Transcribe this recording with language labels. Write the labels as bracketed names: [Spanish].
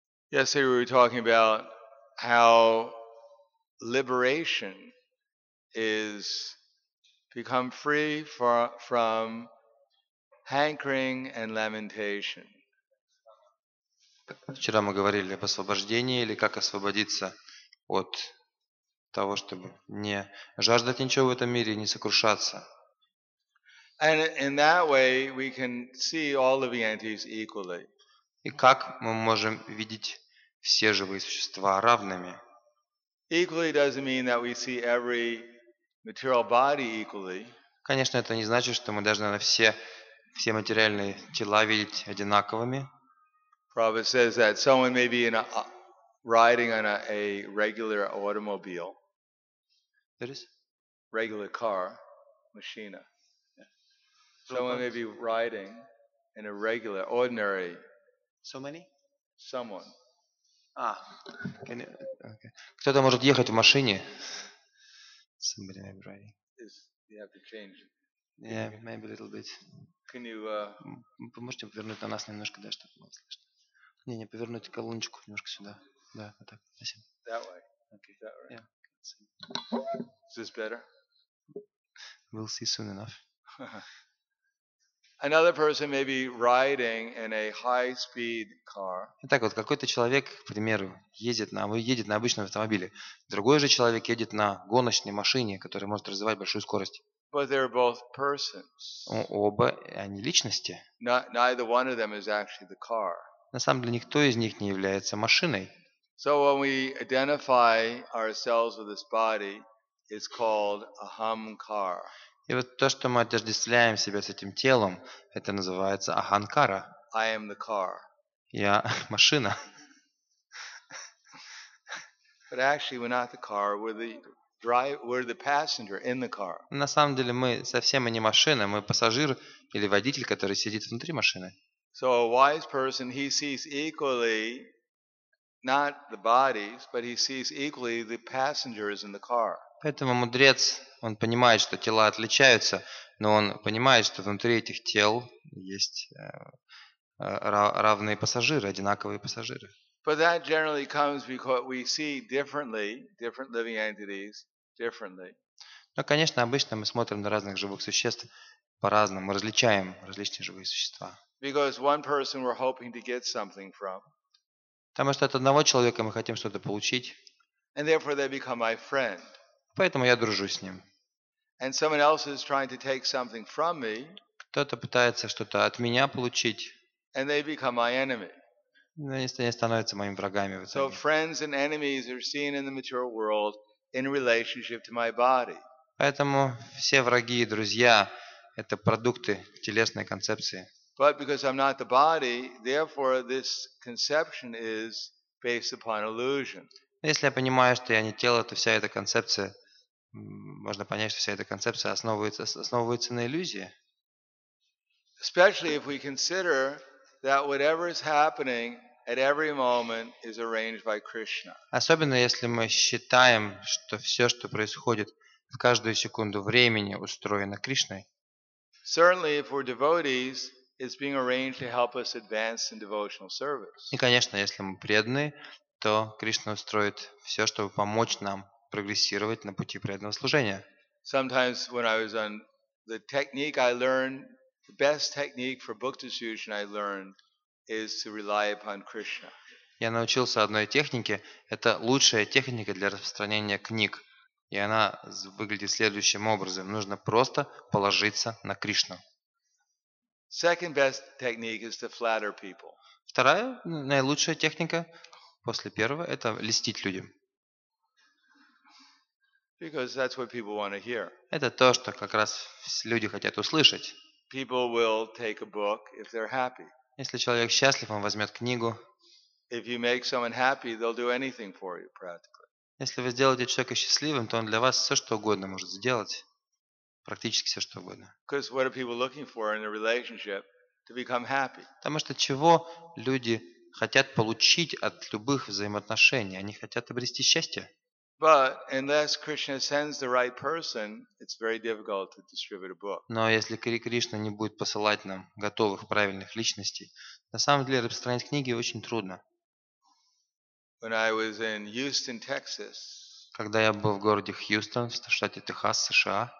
[English] Yesterday we were talking about how liberation is become free from hankering and lamentation. [Russian] Вчера мы говорили об освобождении или как освободиться от того, чтобы не жаждать ничего в этом мире и не сокрушаться. [English] And in that way, we can see all livings equally. [Russian] И как мы можем видеть все живые существа равными? [English] Equally doesn't mean that we see every material body equally. [Russian] Конечно, это не значит, что мы должны на все материальные тела видеть одинаковыми. [English] Prabhupada says that someone may be riding on a regular automobile. That is? Regular car, machina. Someone may be riding in a regular, ordinary. So many? Someone. Ah. Can you, okay. [Russian] Кто-то может ехать в машине. [English] Somebody may be riding. You have to change. Yeah, maybe a little bit. Can you? [Russian] Поможете повернуть на нас немножко, да, чтобы было слышно. Не, повернуть колоночку немножко сюда. Да, вот так. Спасибо. [English] That way. Okay. That way. Yeah. Is this better? We'll see soon enough. Another person may be riding in a high-speed car. [Russian] Итак, вот какой-то человек, к примеру, едет на обычном автомобиле. Другой же человек едет на гоночной машине, которая может развивать большую скорость. [English] But they're both persons. [Russian] Оба они личности. [English] Neither one of them is actually the car. [Russian] На самом деле никто из них не является машиной. [English] So when we identify ourselves with this body, it's called ahamkara. [Russian] И вот то, что мы отождествляем себя с этим телом, это называется аханкара. [English] I am the car. [Russian] Я машина. [English] But actually, we're not the car. We're the driver. We're the passenger in the car. [Russian] На самом деле мы совсем не машина. Мы пассажир или водитель, который сидит внутри машины. [English] So a wise person, he sees equally not the bodies, but he sees equally the passengers in the car. [Russian] Поэтому мудрец, он понимает, что тела отличаются, но он понимает, что внутри этих тел есть равные пассажиры, одинаковые пассажиры. [English] But that generally comes because we see differently, different living entities differently. [Russian] Но, конечно, обычно мы смотрим на разных живых существ по-разному, различаем различные живые существа. [English] Because one person we're hoping to get something from. [Russian] Потому что от одного человека мы хотим что-то получить. [English] And therefore they become my friend. [Russian] Поэтому я дружу с ним. [English] And someone else is trying to take something from me. [Russian] Кто-то пытается что-то от меня получить. [English] And they become my enemy. [Russian] Они становятся моими врагами. [English] So friends and enemies are seen in the material world in relationship to my body. [Russian] Поэтому все враги и друзья – это продукты телесной концепции. [English] But because I'm not the body, therefore this conception is based upon illusion. [Russian] Если я понимаю, что я не тело, то вся эта концепция, можно понять, что вся эта концепция основывается на иллюзии. [English] Especially if we consider that whatever is happening at every moment is arranged by Krishna. [Russian] Особенно если мы считаем, что все, что происходит в каждую секунду времени, устроено Кришной. [English] Certainly, if we're devotees, it's being arranged to help us advance in devotional service. [Russian] И, конечно, если мы преданные, то Кришна устроит все, чтобы помочь нам прогрессировать на пути преданного служения. [English] Sometimes when I was on the technique I learned, the best technique for book distribution I learned is to rely upon Krishna. [Russian] Я научился одной технике. Это лучшая техника для распространения книг. И она выглядит следующим образом. Нужно просто положиться на Кришну. [English] Second best technique is to flatter people. [Russian] Вторая наилучшая техника после первого – это льстить людям. [English] Because that's what people want to hear. [Russian] Это то, что как раз люди хотят услышать. [English] People will take a book if they're happy. [Russian] Если человек счастлив, он возьмет книгу. [English] If you make someone happy, they'll do anything for you practically. [Russian] Если вы сделаете человека счастливым, то он для вас все что угодно может сделать. Практически все, что угодно. [English] Because what are people looking for in a relationship to become happy? [Russian] Потому что чего люди хотят получить от любых взаимоотношений? Они хотят обрести счастье. [English] But unless Krishna sends the right person, it's very difficult to distribute a book. [Russian] Но если Кришна не будет посылать нам готовых правильных личностей, на самом деле распространять книги очень трудно. [English] When I was in Houston, Texas. [Russian] Когда я был в городе Хьюстон, в штате Техас, США.